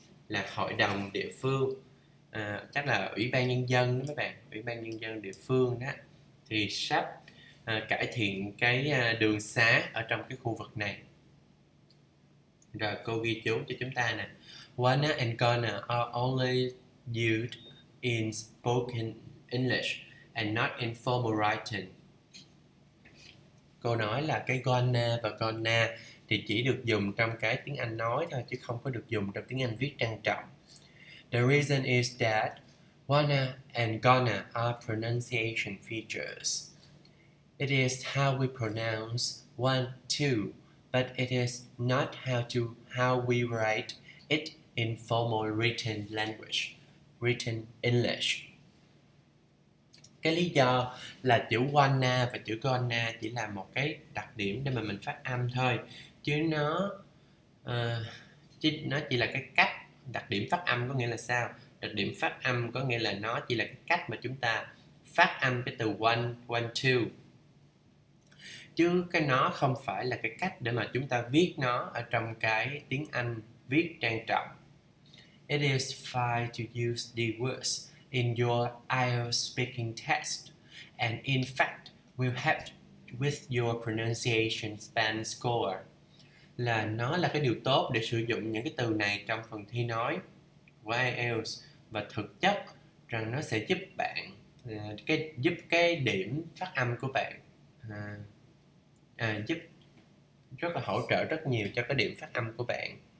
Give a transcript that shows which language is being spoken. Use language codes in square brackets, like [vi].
[vi] Là hội đồng địa phương, chắc là ủy ban nhân dân đó các bạn, ủy ban nhân dân địa phương đó, thì sắp cải thiện cái đường xá ở trong cái khu vực này. Rồi cô ghi chú cho chúng ta nè. [en] Wanna and gonna are only used in spoken English and not in formal writing. [vi] Cô nói là cái gonna và gonna thì chỉ được dùng trong cái tiếng Anh nói thôi, chứ không có được dùng trong tiếng Anh viết trang trọng. [en] The reason is that wanna and gonna are pronunciation features. It is how we pronounce one, two, but it is not how we write it in formal written language, written English. [vi] Cái lý do là chữ wanna và chữ gonna chỉ là một cái đặc điểm để mà mình phát âm thôi, chứ nó chỉ là cái cách. Đặc điểm phát âm có nghĩa là sao? Đặc điểm phát âm có nghĩa là nó chỉ là cái cách mà chúng ta phát âm cái từ one two, chứ cái nó không phải là cái cách để mà chúng ta viết nó ở trong cái tiếng Anh viết trang trọng. [en] It is fine to use the words in your IELTS speaking test, and in fact, will help with your pronunciation span score. [vi] Là nó là cái điều tốt để sử dụng những cái từ này trong phần thi nói. [en] Why else? [vi] Và thực chất rằng nó sẽ giúp bạn giúp cái điểm phát âm của bạn giúp rất là hỗ trợ rất nhiều cho cái điểm phát âm của bạn.